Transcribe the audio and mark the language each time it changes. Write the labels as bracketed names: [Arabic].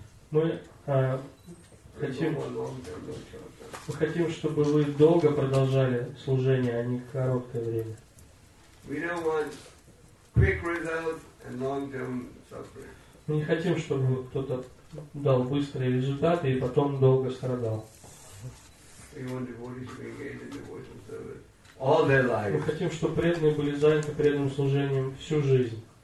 [Russian] Мы хотим, чтобы вы долго продолжали служение, а не короткое время. [English] We don't want quick results and long-term suffering. [Russian] Мы не хотим, чтобы кто-то дал быстрые результаты и потом долго страдал. [English] We want devotees to be engaged in devotional service all their lives. [Russian] Мы хотим, чтобы преданные были заняты преданным служением всю жизнь.